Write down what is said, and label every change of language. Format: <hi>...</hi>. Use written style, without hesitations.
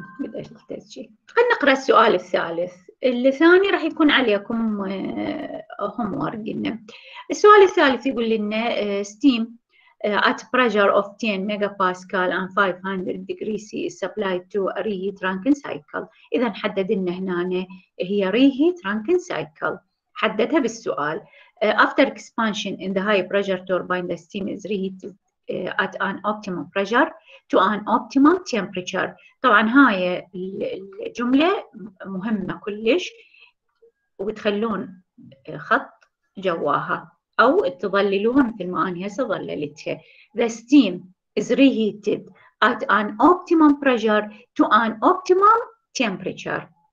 <ar>خلينا نقرأ السؤال الثالث. اللساني راح يكون عليكم هوم ورك. السؤال الثالث يقول لنا</ar> <en>Steam at pressure of 10 megapascal and 500 degrees C is supplied to a reheat Rankine cycle.</en> <ar>إذا حددنا هنا هي reheat Rankine cycle. حددها بالسؤال.</ar> <en>After expansion in the high pressure turbine, the steam is reheated at an optimum pressure to an optimum temperature.</en> <ar>طبعا هاي الجملة مهمة كلش، وتخلون خط جواها أو تظللوها مثل ما أنا هسه ظللتها.</ar> <en>The steam is reheated at an optimum pressure to an optimum temperature.</en>